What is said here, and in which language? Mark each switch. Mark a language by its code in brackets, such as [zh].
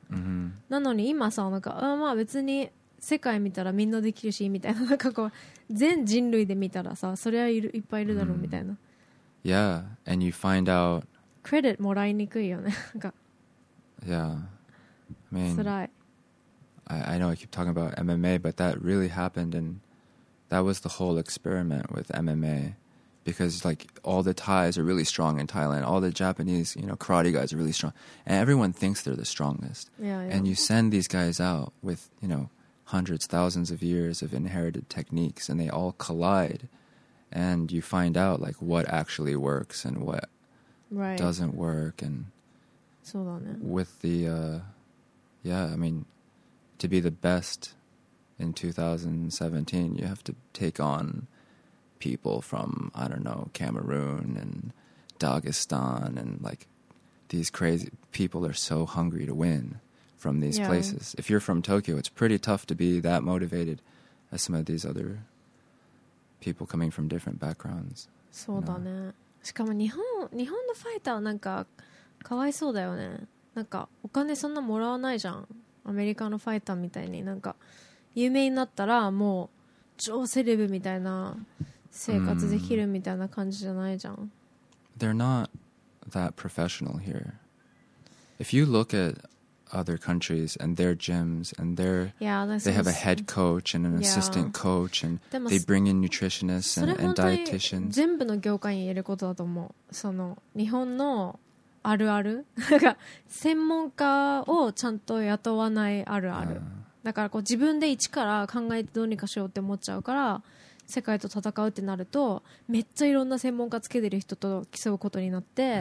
[ja] Mm-hmm. なのに今さ、なんか、まあ別に世界見たらみんなできるし、みたいな。なんかこう、全人類で見たらさ、それはいっぱいいるだろう、みたいな。 [en] Mm-hmm. Yeah, and you find out... [ja] クレディットもらいにくいよね、なんか。 [en] Yeah, I mean... [ja] 辛い。 [en] I know I keep talking about MMA, but that really happened, and that was the whole experiment with MMA. Because like all the Thais are really strong in Thailand, all the Japanese, you know, karate guys are really strong, and everyone thinks they're the strongest. Yeah, yeah. And you send these guys out with, you know, hundreds, thousands of years of inherited techniques, and they all collide, and you find out like what actually works and what right. doesn't work, and so on, yeah. with the, yeah, I mean, to be the best in 2017, you have to take on. People from, I don't know, Cameroon and Dagestan and like these crazy people are so hungry to win from these yeah. places. If you're from Tokyo, it's pretty tough to be that motivated as some of these other people coming from different backgrounds. [ja] そうだね。しかも日本のファイターなんかかわいそうだよね。なんかお金そんなもらわないじゃん。アメリカのファイターみたいになんか有名になったらもう超セレブみたいな。生活できるみたいな感じじゃないじゃん、mm. [en] They're not that professional here. If you look at other countries and their gyms and their they have a head coach and an assistant coach and they bring in nutritionists and dietitians. [ja] 全部の業界に言えることだと思う。その日本のあるある専門家をちゃんと雇わないあるある、だからこう自分で一から考えてどうにかしようって思っちゃうから世界と戦うってなるとめっちゃいろんな専門家つけてる人と競うことになって、